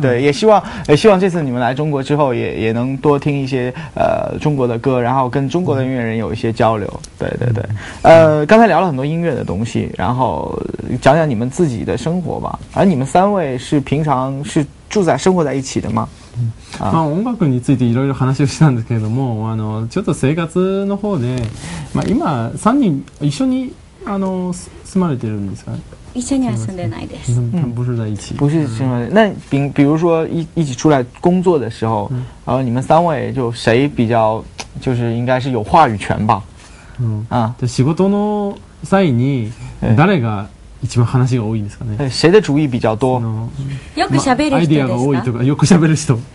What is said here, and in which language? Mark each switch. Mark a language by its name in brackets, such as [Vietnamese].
[Chinese] 对，也希望这次你们来中国之后也能多听一些中国的歌，然后跟中国的音乐人有一些交流。对对对，刚才聊了很多音乐的东西，然后讲讲你们自己的生活吧。而你们三位是平常是住在生活在一起的吗？ [Japanese] まあ、音楽についていろいろ話をしたんですけれども、ちょっと生活の方で、まあ、今3人一緒に住まれてるんですか？一緒には住んでないです。 [Chinese] 他们不是在一起、不是住在一起。那 比如说 一起出来工作的时候、你们三位就谁比较就是应该是有话语权吧、 [Japanese] で仕事の際に誰が一番話が多いんですかね。 [Chinese] 谁的主意比较多、 [Japanese] よく喋る人ですか、アイディアが多いとか、よく喋る人。